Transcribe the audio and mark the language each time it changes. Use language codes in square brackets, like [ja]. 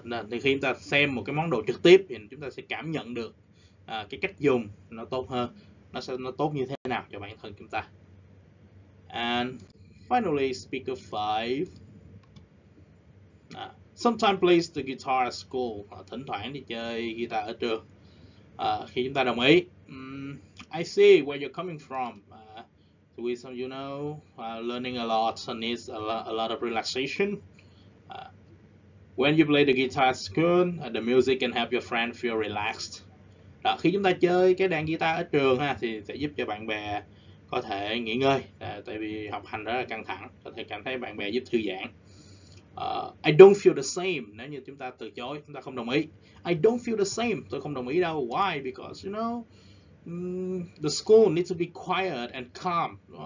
[vi] Thì khi chúng ta xem một cái món đồ trực tiếp thì chúng ta sẽ cảm nhận được cái cách dùng nó tốt hơn, nó tốt như thế nào cho bản thân chúng ta. [en] And finally, speaker 5. Sometimes plays the guitar at school. [vi] Thỉnh thoảng đi chơi guitar ở trường. Khi chúng ta đồng ý, [en] I see where you're coming from. With some, you know, learning a lot needs a lot of relaxation. When you play the guitar at school, the music can help your friend feel relaxed. [vi] Đó, khi chúng ta chơi cái đàn guitar ở trường ha, thì sẽ giúp cho bạn bè có thể nghỉ ngơi, tại vì học hành rất là căng thẳng, có thể cảm thấy bạn bè giúp thư giãn. [en] I don't feel the same. [vi] Nếu như chúng ta từ chối, chúng ta không đồng ý. [en] I don't feel the same. [vi] Tôi không đồng ý đâu. [en] Why? Because, you know, the school needs to be quiet and calm.